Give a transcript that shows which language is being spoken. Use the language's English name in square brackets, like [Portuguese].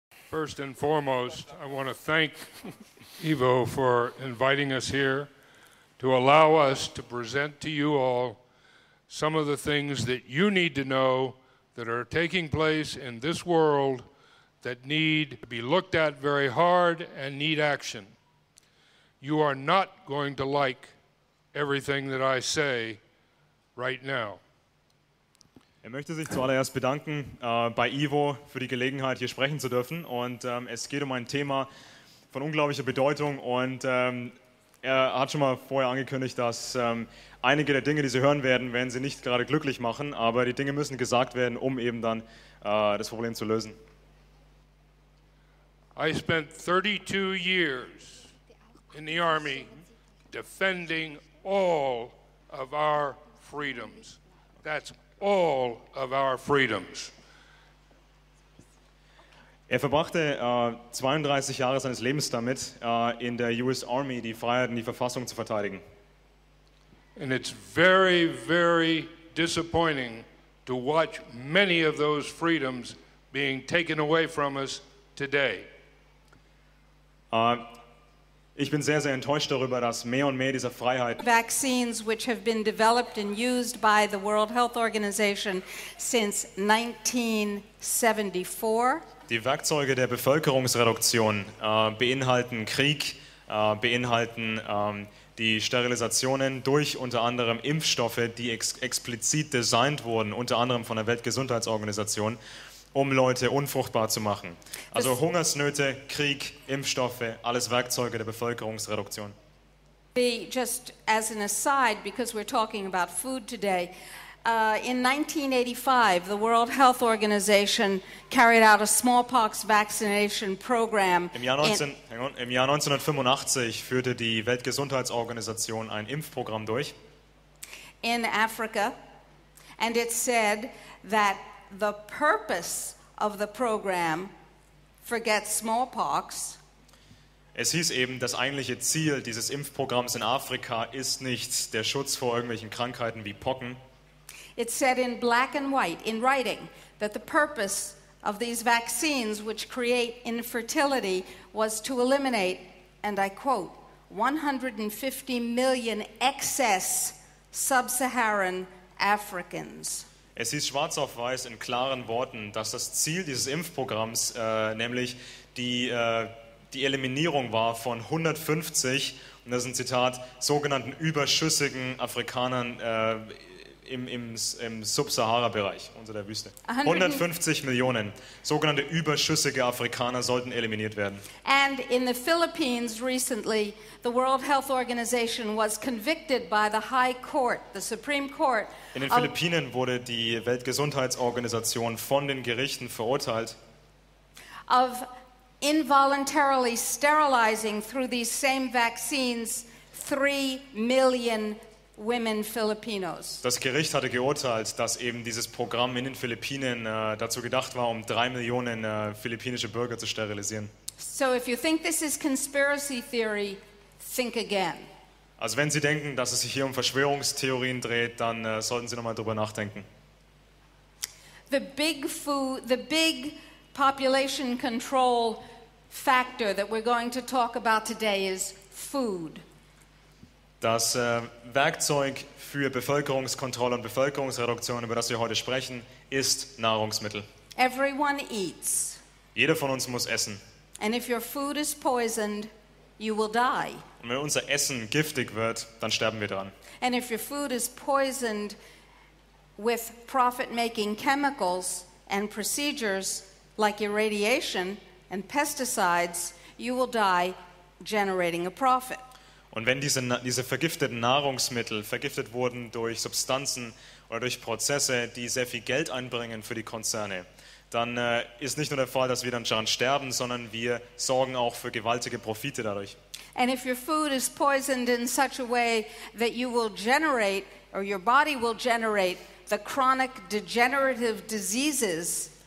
[English] First and foremost, I want to thank Ivo for inviting us here to allow us to present to you all some of the things that you need to know that are taking place in this world that need to be looked at very hard and need action. You are not going to like everything that I say right now. [German] Er möchte sich zuallererst bedanken bei Ivo für die Gelegenheit, hier sprechen zu dürfen. Und es geht um ein Thema von unglaublicher Bedeutung. Und er hat schon mal vorher angekündigt, dass einige der Dinge, die Sie hören werden, werden Sie nicht gerade glücklich machen. Aber die Dinge müssen gesagt werden, um eben dann das Problem zu lösen. [English] I spent 32 years in the army defending all of our freedoms. That's all of our freedoms. [German] Er verbrachte 32 Jahre seines Lebens damit, in der US Army die Freiheiten, die Verfassung zu verteidigen. [English] And it's very, very disappointing to watch many of those freedoms being taken away from us today. [German] Ich bin sehr, sehr enttäuscht darüber, dass mehr und mehr dieser Freiheiten [English] Vaccines, which have been developed and used by the World Health Organization since 1974. [German] Die Werkzeuge der Bevölkerungsreduktion beinhalten Krieg, beinhalten die Sterilisationen durch unter anderem Impfstoffe, die explizit designt wurden, unter anderem von der Weltgesundheitsorganisation, um Leute unfruchtbar zu machen. Also Hungersnöte, Krieg, Impfstoffe, alles Werkzeuge der Bevölkerungsreduktion. [English] Just as an aside, because we're talking about food today, in 1985, the World Health Organization carried out a smallpox vaccination program. [German] Im Jahr 1985 führte die Weltgesundheitsorganisation ein Impfprogramm durch. [English] In Africa, and it said that the purpose of the program, forget smallpox. [German] Es hieß eben, das eigentliche Ziel dieses Impfprogramms in Afrika ist nicht der Schutz vor irgendwelchen Krankheiten wie Pocken. [English] It said in black and white, in writing, that the purpose of these vaccines, which create infertility, was to eliminate, and I quote, 150 million excess sub-Saharan Africans. [German] Es hieß schwarz auf weiß in klaren Worten, dass das Ziel dieses Impfprogramms, nämlich die Eliminierung war von 150, und das ist ein Zitat, sogenannten überschüssigen Afrikanern im Sub-Sahara-Bereich, unter der Wüste. 150 Millionen sogenannte überschüssige Afrikaner sollten eliminiert werden. [English] And in the Philippines recently, the World Health Organization was convicted by the High Court, the Supreme Court. [German] In den Philippinen wurde die Weltgesundheitsorganisation von den Gerichten verurteilt. [English] Of involuntarily sterilizing through these same vaccines 3 million women Filipinos. [German] Das Gericht hatte geurteilt, dass eben dieses Programm in den Philippinen dazu gedacht war, um 3 Millionen philippinische Bürger zu sterilisieren. [English] So if you think this is conspiracy theory, think again. [German] Also wenn Sie denken, dass es sich hier um Verschwörungstheorien dreht, dann sollten Sie nochmal drüber nachdenken. [English] The big food, the big population control factor that we're going to talk about today is food. [German] Das Werkzeug für Bevölkerungskontrolle und Bevölkerungsreduktion, über das wir heute sprechen, ist Nahrungsmittel. [English] Everyone eats. [German] Jeder von uns muss essen. [English] And if your food is poisoned, you will die. [German] Und wenn unser Essen giftig wird, dann sterben wir dran. [English] And if your food is poisoned with profit-making chemicals and procedures like irradiation and pesticides, you will die generating a profit. [German] Und wenn diese vergifteten Nahrungsmittel vergiftet wurden durch Substanzen oder durch Prozesse, die sehr viel Geld einbringen für die Konzerne, dann ist nicht nur der Fall, dass wir dann daran sterben, sondern wir sorgen auch für gewaltige Profite dadurch. [English] And if your food is poisoned in such a way that you will generate or your body will generate the chronic degenerative diseases.